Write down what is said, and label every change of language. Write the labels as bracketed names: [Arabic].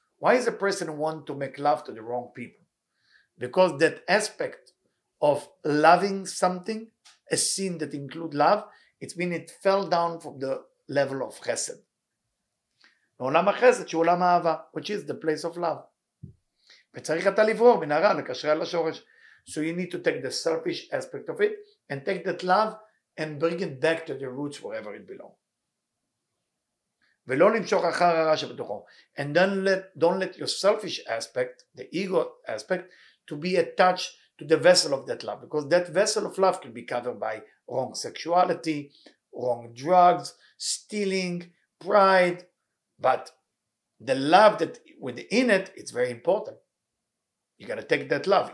[English] Why is a person want to make love to the wrong people? Because that aspect of loving something, a sin that includes love, it's mean it fell down from the level of chesed. [Hebrew] מעולם החסד שהוא עולם האהבה, [English] which is the place of love. [Hebrew] וצריך אתה לברור מן הרע לקשרי על השורש. [English] So you need to take the selfish aspect of it and take that love and bring it back to the roots wherever it belongs. [Hebrew] ולא למשוך אחר הרע שבתוכו. [English] And don't let your selfish aspect, the ego aspect, to be attached to the vessel of that love. Because that vessel of love can be covered by wrong sexuality, wrong drugs, stealing, pride. But the love that within it, it's very important. You got to take that love.